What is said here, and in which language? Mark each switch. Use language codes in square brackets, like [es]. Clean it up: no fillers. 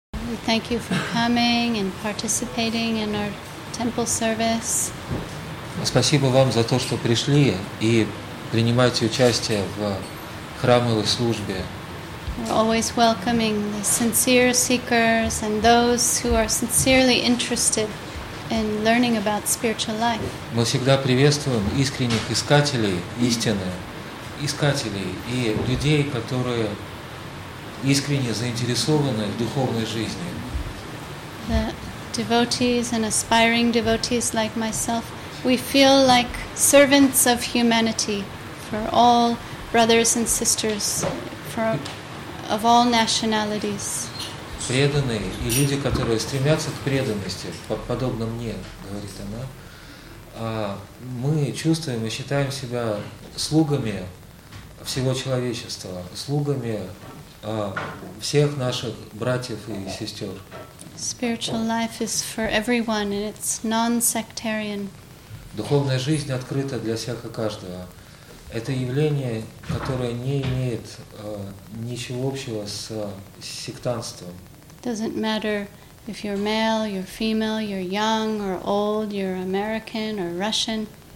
[en] We thank you for coming and participating in our temple service. [ru] Спасибо вам за то, что пришли и принимаете участие в храмовой службе. [en] We're always welcoming the sincere seekers and those who are sincerely interested in learning about spiritual life. [ru] Мы всегда приветствуем искренних искателей истины, искателей и людей, которые искренне заинтересованы в духовной жизни. [en] The devotees and aspiring devotees like myself, we feel like servants of humanity for all brothers and sisters of all nationalities. [ru] Преданные и люди, которые стремятся к преданности, подобно мне, говорит она, мы чувствуем и считаем себя слугами всего человечества, слугами всех наших братьев и сестер. [en] Spiritual life is for everyone and it's non-sectarian. [ru] Духовная жизнь открыта для всех и каждого. Это явление, которое не имеет ничего общего с сектантством. [en] Doesn't matter if you're male, you're female, you're young or old, you're American or Russian.